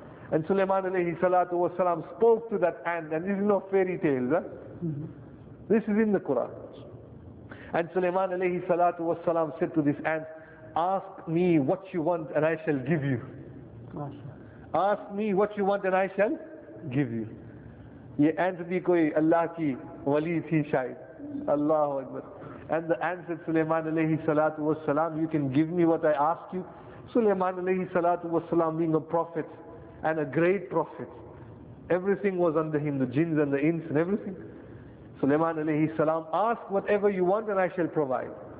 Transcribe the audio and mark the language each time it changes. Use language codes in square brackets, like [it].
[en] And Sulaiman alayhi salatu wasalam spoke to that ant, and this is no fairy tale, huh? This is in the Quran. And Sulaiman alayhi salatu wasalam said to this ant, ask me what you want and I shall give you. Ask me what you want and I shall give you. [ur] یہ ant بھی کوئی اللہ کی ولی تھی شاید. [ar] Allahu Akbar. [en] And the ant said, Sulaiman alayhi salatu wasalam, you can give me what I ask you. Sulaiman alayhi salatu wasalam, being a prophet and a great prophet, everything was under him, the jinns and the ins and everything. Sulaiman alayhi salam, ask whatever you want and I shall provide.